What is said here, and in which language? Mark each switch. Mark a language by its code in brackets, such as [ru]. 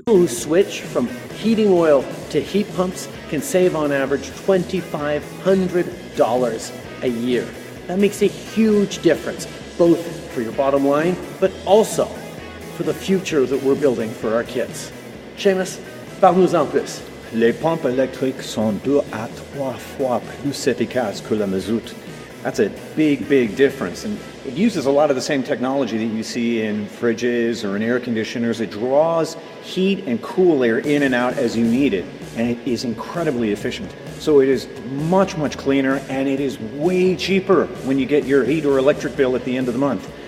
[en] People who switch from heating oil to heat pumps can save on average $2,500 a year. That makes a huge difference, both for your bottom line, but also for the future that we're building for our kids. [fr] Seamus, parle-nous-en plus. Les pompes électriques sont deux à trois fois plus efficaces que le mazout. [en] That's a big, big difference. And it uses a lot of the same technology that you see in fridges or in air conditioners. It draws heat and cool air in and out as you need it. And it is incredibly efficient. So it is much, much cleaner, and it is way cheaper when you get your heat or electric bill at the end of the month.